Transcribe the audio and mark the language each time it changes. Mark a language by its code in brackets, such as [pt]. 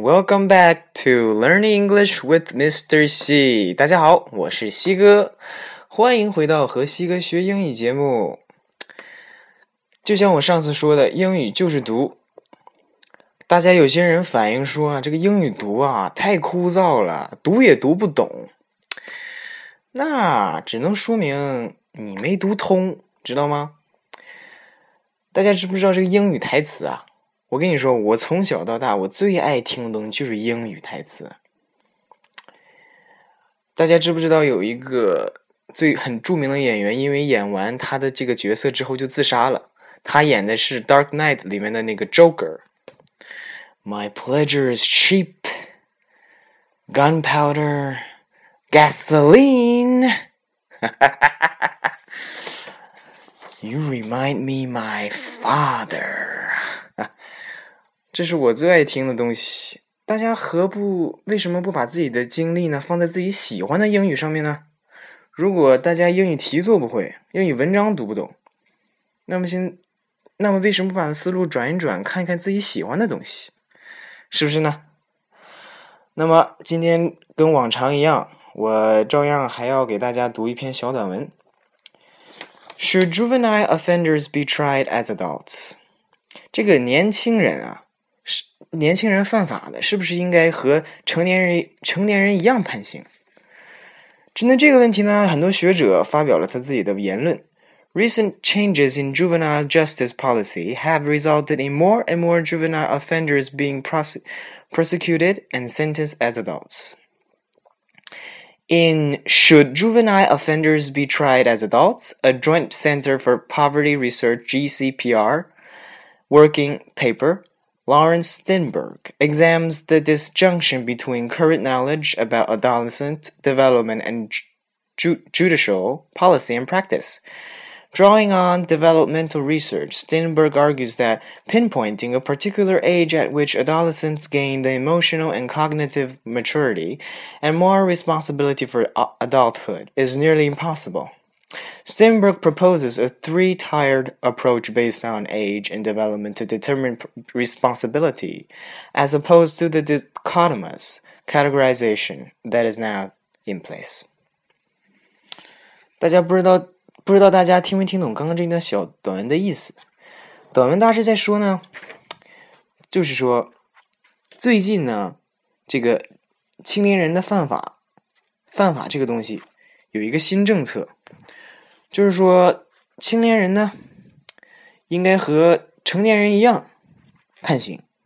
[en] Welcome back to Learn English with Mr. C. [zh] 大家好，我是西哥，欢迎回到和西哥学英语节目。就像我上次说的，英语就是读。大家有些人反映说啊，这个英语读啊太枯燥了，读也读不懂。那只能说明你没读通，知道吗？大家知不知道这个英语台词啊？我跟你说，我从小到大我最爱听的就是英语台词。大家知不知道有一个最很著名的演员，因为演完他的这个角色之后就自杀了，他演的是 Dark Knight 里面的那个 Joker。 [en] My pleasure is cheap, gunpowder, gasoline. You remind me my father. [zh] 这是我最爱听的东西。大家何不为什么不把自己的精力呢放在自己喜欢的英语上面呢？如果大家英语题做不会，英语文章读不懂，那么为什么不把思路转一转，看一看自己喜欢的东西，是不是呢？那么今天跟往常一样，我照样还要给大家读一篇小短文。 [en] Should juvenile offenders be tried as adults? [zh] 这个年轻人啊，是年轻人犯法的，是不是应该和成年人一样判刑？针对这个问题呢，很多学者发表了他自己的言论。 [en] Recent changes in juvenile justice policy have resulted in more and more juvenile offenders being prosecuted and sentenced as adults. In Should Juvenile Offenders Be Tried as Adults? A Joint Center for Poverty Research, GCPR, working paper, Lawrence Stenberg, examines the disjunction between current knowledge about adolescent development and judicial policy and practice. Drawing on developmental research, Stenberg argues that pinpointing a particular age at which adolescents gain the emotional and cognitive maturity and more responsibility for adulthood is nearly impossible. Stenberg proposes a three-tiered approach based on age and development to determine responsibility, as opposed to the dichotomous categorization that is now in place. [zh] 不知道大家听没听懂刚刚这段小短文的意思。短文大师在说呢，就是说最近呢，这个青年人的犯法这个东西有一个新政策，就是说青年人呢应该和成年人一样判刑。